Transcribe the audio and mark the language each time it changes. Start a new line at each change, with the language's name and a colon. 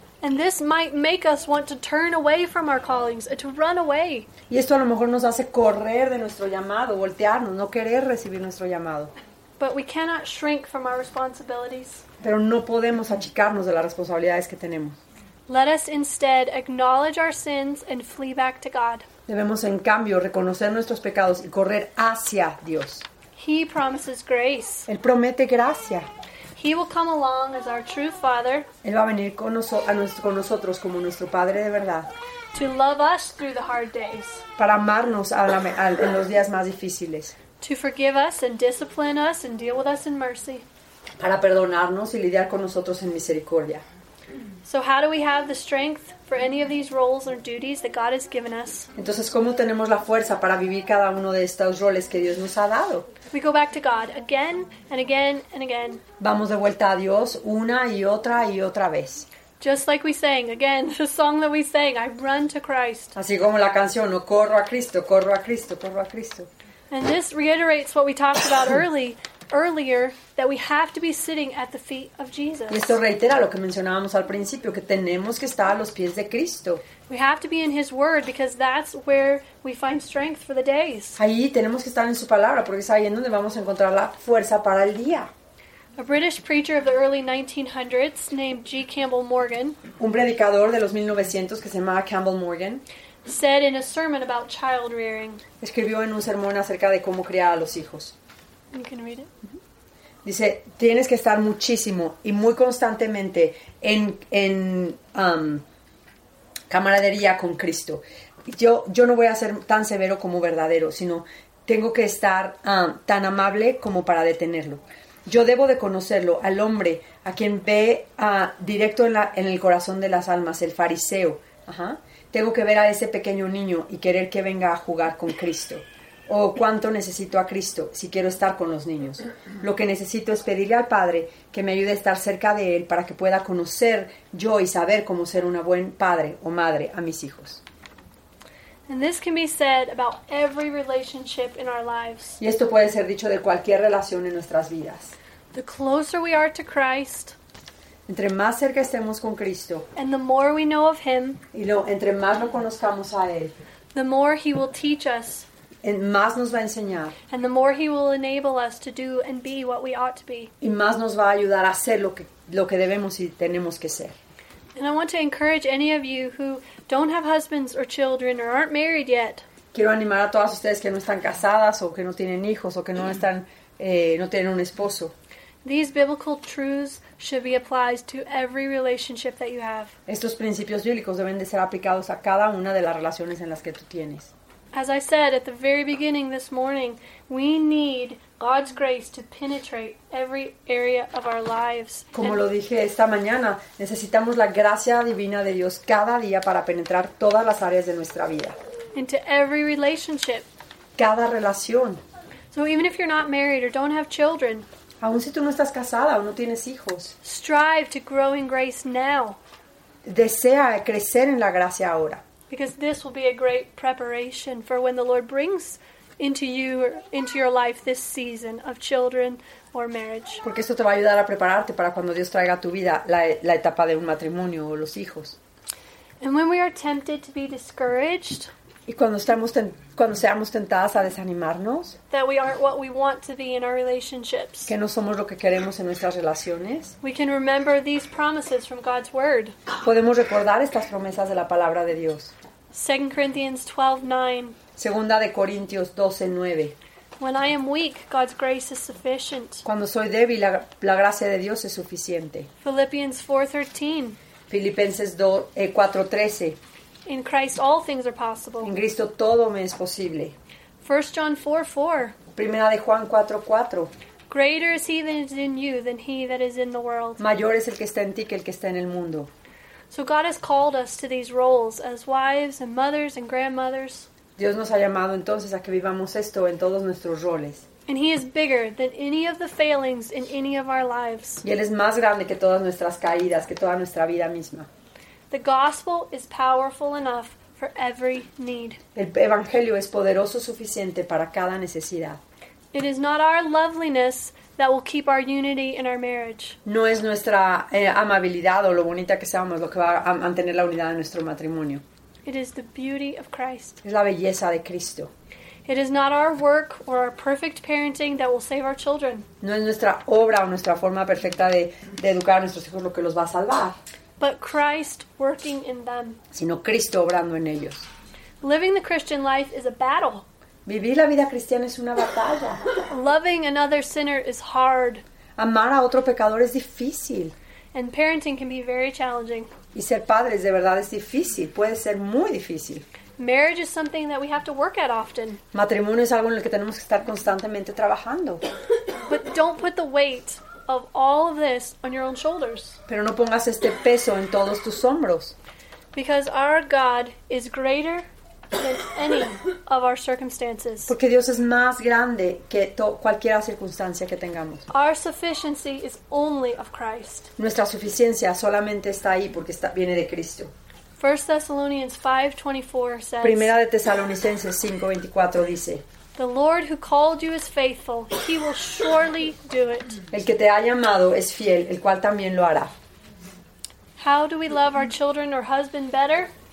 English: And this might make us want to turn away from our callings, to run away.
Spanish: Y esto a lo mejor nos hace correr de nuestro llamado, voltearnos, no querer recibir nuestro llamado.
English: But we cannot shrink from our responsibilities.
Spanish: Pero no podemos achicarnos de las responsabilidades que tenemos.
English: Let us instead acknowledge our sins and flee back to God.
Spanish: Debemos, en cambio, reconocer nuestros pecados y correr hacia Dios.
English: He promises grace.
Spanish: Él promete gracia.
English: He will come along as our true Father.
Spanish: Él va a venir con nosotros como nuestro Padre de verdad.
English: To love us through the hard days.
Spanish: Para amarnos en los días más difíciles.
English: To forgive us and discipline us and deal with us in mercy.
Spanish: Para perdonarnos y lidiar con nosotros en misericordia.
English: So how do we have the strength for any of these roles or duties that God has given us?
Spanish: Entonces, ¿cómo tenemos la fuerza para vivir cada uno de estos roles que Dios nos ha dado?
English: We go back to God again and again and again.
Spanish: Vamos de vuelta a Dios una y otra vez.
English: Just like we sang again, the song that we sang, I run to Christ.
Spanish: Así como la canción, no corro a Cristo, corro a Cristo, corro a Cristo.
English: And this reiterates what we talked about earlier, that we have to be sitting at the feet of Jesus.
Spanish: Y esto reitera lo que mencionábamos al principio, que tenemos que estar a los pies de Cristo.
English: We have to be in His Word because that's where we find strength for the days.
Spanish: Ahí tenemos que estar en su palabra porque es ahí en donde vamos a encontrar la fuerza para el día.
English: A British preacher of the early 1900s named G. Campbell Morgan.
Spanish: Un predicador de los 1900 que se llamaba Campbell Morgan.
English: Said in a sermon about child rearing.
Spanish: Escribió en un sermón acerca de cómo criar a los hijos.
English: You can read it.
Spanish: Dice, tienes que estar muchísimo y muy constantemente en camaradería con Cristo. yo no voy a ser tan severo como verdadero, sino tengo que estar tan amable como para detenerlo. Yo debo de conocerlo, al hombre, a quien ve directo en el corazón de las almas, el fariseo. Ajá. Tengo que ver a ese pequeño niño y querer que venga a jugar con Cristo. O cuánto necesito a Cristo si quiero estar con los niños. Lo que necesito es pedirle al Padre que me ayude a estar cerca de Él para que pueda conocer yo y saber cómo ser una buen padre o madre a mis hijos.
English: And this can be said about every relationship in our lives.
Spanish: Y esto puede ser dicho de cualquier relación en nuestras vidas.
English: The closer we are to Christ,
Spanish: entre más cerca estemos con Cristo,
English: and the more we know of Him,
Spanish: y lo, entre más lo conozcamos a Él,
English: the more He will teach us,
Spanish: y más nos va a enseñar,
English: and the more He will enable us to do and be what we ought to be,
Spanish: y más nos va a ayudar a ser lo que debemos y tenemos que ser.
English: And I want to encourage any of you who don't have husbands or children or aren't married yet.
Spanish: Quiero animar a todas ustedes que no están casadas o que no tienen hijos o que no están no tienen un esposo.
English: These biblical truths should be applied to every relationship that you have.
Spanish: Estos principios bíblicos deben de ser aplicados a cada una de las relaciones en las que tú tienes.
English: As I said at the very beginning this morning, we need God's grace to penetrate every area of our lives.
Spanish: Como lo dije esta mañana, necesitamos la gracia divina de Dios cada día para penetrar todas las áreas de nuestra vida.
English: Into every relationship.
Spanish: Cada relación.
English: So even if you're not married or don't have children,
Spanish: aun si tú no estás casada o no tienes hijos,
English: strive to grow in grace now.
Spanish: Desea crecer en la gracia ahora.
English: Because this will be a great preparation for when the Lord brings into you, into your life this season of children or marriage.
Spanish: Porque esto te va a ayudar a prepararte para cuando Dios traiga a tu vida la etapa de un matrimonio o los hijos.
English: And when we are tempted to be discouraged,
Spanish: y cuando seamos tentadas a desanimarnos,
English: that we aren't what we want to be in our relationships,
Spanish: que no somos lo que queremos en nuestras relaciones,
English: we can remember these promises from God's word.
Spanish: Podemos recordar estas promesas de la palabra de Dios.
English: 2 Corinthians 12:9.
Spanish: Segunda de Corintios 12:9.
English: When I am weak, God's grace is sufficient.
Spanish: Cuando soy débil, la gracia de Dios es suficiente.
English: Philippians 4:13.
Spanish: Filipenses 4:13.
English: In Christ all things are possible.
Spanish: En Cristo todo me es posible.
English: 1 John 4:4.
Spanish: Primera de Juan 4:4.
English: Greater is He that is in you than he that is in the world.
Spanish: Mayor es el que está en ti que el que está en el mundo.
English: So God has called us to these roles as wives and mothers and grandmothers.
Spanish: Dios nos ha llamado entonces a que vivamos esto en todos nuestros roles.
English: And He is bigger than any of the failings in any of our lives.
Spanish: Y Él es más grande que todas nuestras caídas, que toda nuestra vida misma.
English: The gospel is powerful enough for every need.
Spanish: El evangelio es poderoso suficiente para cada necesidad.
English: It is not our loveliness that will keep our unity in our marriage.
Spanish: No es nuestra amabilidad o lo bonita que seamos lo que va a mantener la unidad de nuestro matrimonio.
English: It is the beauty of Christ.
Spanish: Es la belleza de Cristo.
English: It is not our work or our perfect parenting that will save our children.
Spanish: No es nuestra obra o nuestra forma perfecta de educar a nuestros hijos lo que los va a salvar.
English: But Christ working in them.
Spanish: Sino Cristo obrando en ellos.
English: Living the Christian life is a battle.
Spanish: Vivir la vida cristiana es una batalla.
English: Loving another sinner is hard.
Spanish: Amar a otro pecador es difícil.
English: And parenting can be very challenging.
Spanish: Y ser padres de verdad es difícil, puede ser muy difícil.
English: Marriage is something that we have to work at often.
Spanish: Matrimonio es algo en lo que tenemos que estar constantemente trabajando.
English: But don't put the weight of all of this on your own shoulders.
Spanish: Pero no pongas este peso en todos tus hombros.
English: Because our God is greater than any of our circumstances.
Spanish: Porque Dios es más grande que cualquier circunstancia que tengamos.
English: Our sufficiency is only of Christ.
Spanish: Nuestra suficiencia solamente está ahí porque viene de Cristo.
English: 1 Thessalonians 5:24 says.
Spanish: Primera de Tesalonicenses 5:24 dice.
English: The Lord who called you is faithful; He will surely do it.
Spanish: El que te ha llamado es fiel, el cual también lo hará.
English: How do we love our children or husband better?